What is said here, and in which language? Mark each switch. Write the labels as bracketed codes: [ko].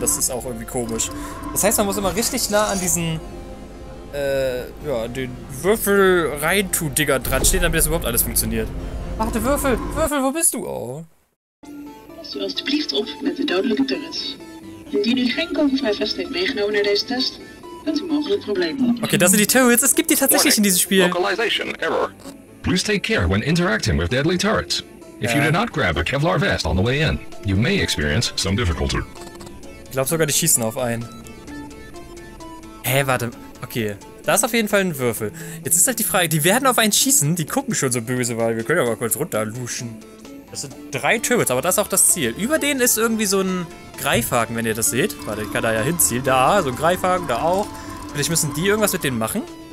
[de] Das ist auch irgendwie komisch. Das heißt, man muss immer richtig nah an diesen, ja, den Würfel reintu-Digger dran stehen, damit das überhaupt alles funktioniert. Warte, Würfel, Würfel, wo bist du? Oh. [nl] Pass du alsjeblieft op met de dodelijke turrets. Indien u geen kogelvrij vest heeft meegenomen naar deze test, kunt u mogelijk problemen. [de] Okay, das sind die Turrets. Es gibt die tatsächlich in diesem Spiel. [en] Localization error. Please take care when interacting with deadly turrets. If you do not grab a Kevlar vest on the way in, you may experience some difficulty. [de] Ich glaube sogar, die schießen auf einen. Hä, warte. Okay, da ist auf jeden Fall ein Würfel. Jetzt ist halt die Frage, die werden auf einen schießen. Die gucken schon so böse, weil wir können ja mal kurz runterluschen. Das sind drei Turrets, aber das ist auch das Ziel. Über denen ist irgendwie so ein Greifhaken, wenn ihr das seht. Warte, ich kann da ja hinziehen. Da, so ein Greifhaken, da auch. Vielleicht müssen die irgendwas mit denen machen.